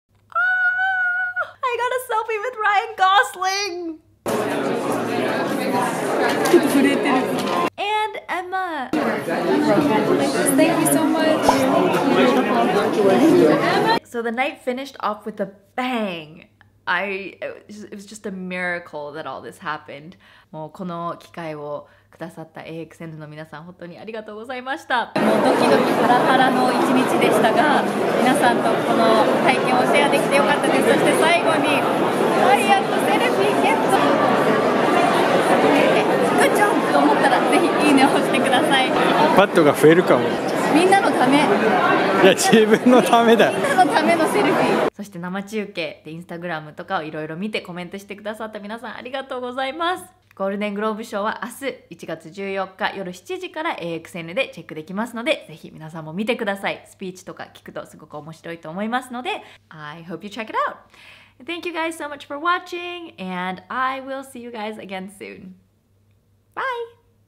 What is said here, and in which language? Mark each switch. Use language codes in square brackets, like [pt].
[en] Ah, I got a selfie with Ryan Gosling! And Emma! Congratulations. Thank you so much! So the night finished off with a bang! It was just a miracle that all this happened. [ja] もうこの機会をくださった AXN の皆さん、本当にありがとうございました。もうドキドキハラハラの一日でしたが、皆さんとこの体験をシェアできてよかったです。そして最後に、ライアンとセルフィーゲット。グッジョブと思ったら、ぜひいいねを押してください。パッドが増えるかも。みんなのため。いや、自分のためだ。みんなのためのセルフィー。そして生中継でインスタグラムとかをいろいろ見てコメントしてくださった皆さん、ありがとうございます。ゴールデングローブ賞は明日1月14日夜7時から AXN でチェックできますので、ぜひ皆さんも見てください。スピーチとか聞くとすごく面白いと思いますので、 [en] I hope you check it out. Thank you guys so much for watching, and I will see you guys again soon. Bye!